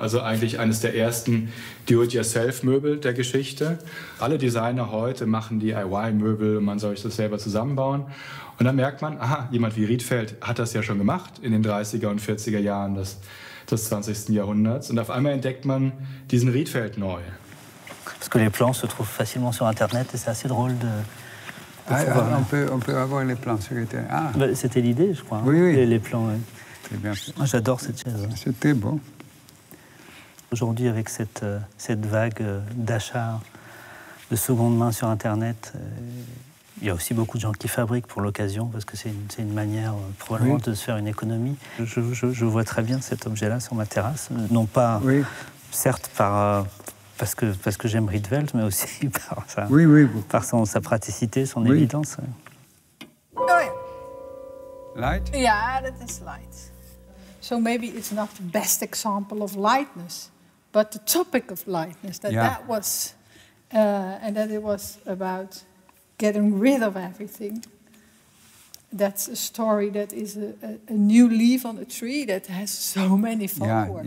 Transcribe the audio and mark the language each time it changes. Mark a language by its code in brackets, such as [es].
[de] Also eigentlich eines der ersten Do-it-yourself-Möbel der Geschichte. Alle Designer heute machen DIY-Möbel und man soll sich das selber zusammenbauen. Und dann merkt man, aha, jemand wie Riedfeld hat das ja schon gemacht in den 30er und 40er Jahren des 20. Jahrhunderts. Und auf einmal entdeckt man diesen Riedfeld neu. [fr] Parce que les plans se trouvent facilement sur Internet et c'est assez drôle de... On peut avoir les plans, secrétaire. Ah. C'était l'idée, je crois. Oui, oui. Les plans, oui. Moi, j'adore cette chaise. C'était bon. Aujourd'hui, avec cette vague d'achats de seconde main sur Internet, il y a aussi beaucoup de gens qui fabriquent pour l'occasion, parce que c'est une manière probablement de se faire une économie. Je vois très bien cet objet-là sur ma terrasse. Non pas, certes, parce que j'aime Riedfeld, mais aussi par sa, par sa praticité, son évidence. Oh, [en] light? Yeah, that is light. So maybe it's not the best example of lightness, but the topic of lightness, that was, and that it was about getting rid of everything. That's a story that is a new leaf on a tree that has so many followers.